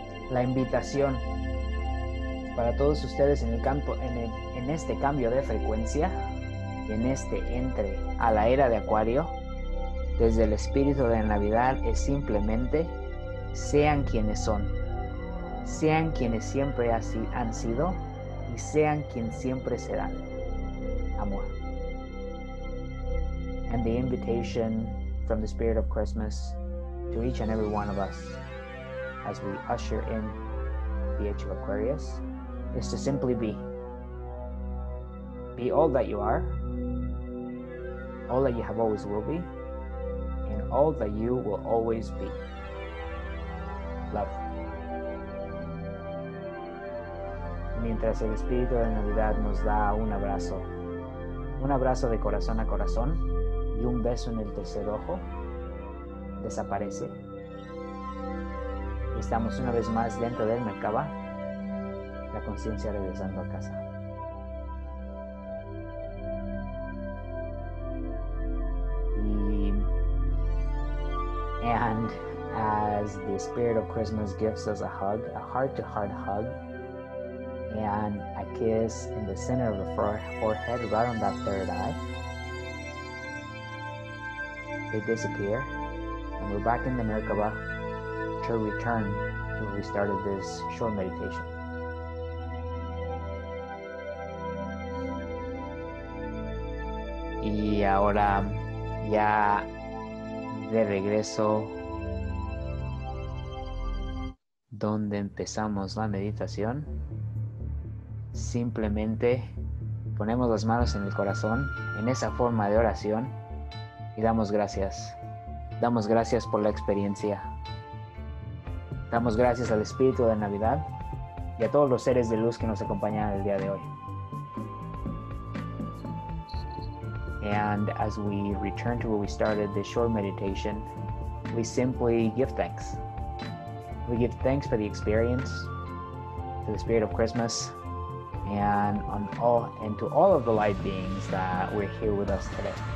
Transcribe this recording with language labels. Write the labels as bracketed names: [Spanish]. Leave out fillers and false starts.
[Spanish] La invitación para todos ustedes en este cambio de frecuencia, en este entre a la era de Acuario, desde el espíritu de Navidad, es simplemente sean quienes son, sean quienes siempre han sido y sean quien siempre serán. Amor. [English] And the invitation from the spirit of Christmas to each and every one of us as we usher in the age of Aquarius is to simply be all that you are, all that you have always will be, and all that you will always be. Love. [Spanish] Mientras el espíritu de Navidad nos da un abrazo de corazón a corazón y un beso en el tercer ojo, desaparece. Estamos una vez más dentro del Merkaba, la conciencia regresando a casa. [English] And as the spirit of Christmas gives us a hug, a heart-to-heart hug, and a kiss in the center of the forehead, right on that third eye, they disappear, and we're back in the Merkaba to return to where we started this short meditation. [Spanish] Y ahora, ya de regreso, donde empezamos la meditación, simplemente ponemos las manos en el corazón, en esa forma de oración, y damos gracias. Damos gracias por la experiencia. Damos gracias al Espíritu de Navidad y a todos los seres de luz que nos acompañan el día de hoy. [English] And as we return to where we started this short meditation, we simply give thanks. We give thanks for the experience, for the spirit of Christmas, and on all and to all of the light beings that were here with us today.